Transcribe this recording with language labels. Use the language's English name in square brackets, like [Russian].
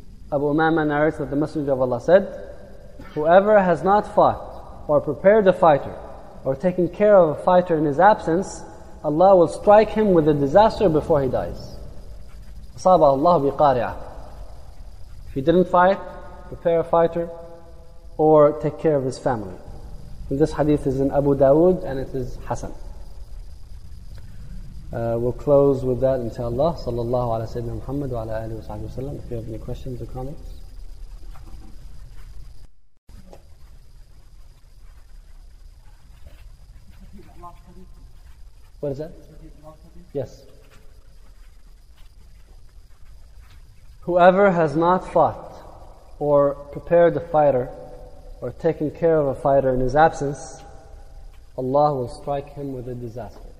[English] Abu Umama narrates that the Messenger of Allah said, whoever has not fought or prepared a fighter, or taken care of a fighter in his absence, Allah will strike him with a disaster before he dies. [Arabic] أصاب الله بقارعة. [English] If he didn't fight, prepare a fighter, or take care of his family. And this hadith is in Abu Dawood, and it is Hasan. We'll close with that, inshallah. [Arabic] صلى الله على سيدنا محمد وعلى آله وصحبه وسلم. [English] If you have any questions or comments. What is that? Yes. Whoever has not fought or prepared a fighter or taken care of a fighter in his absence, Allah will strike him with a disaster.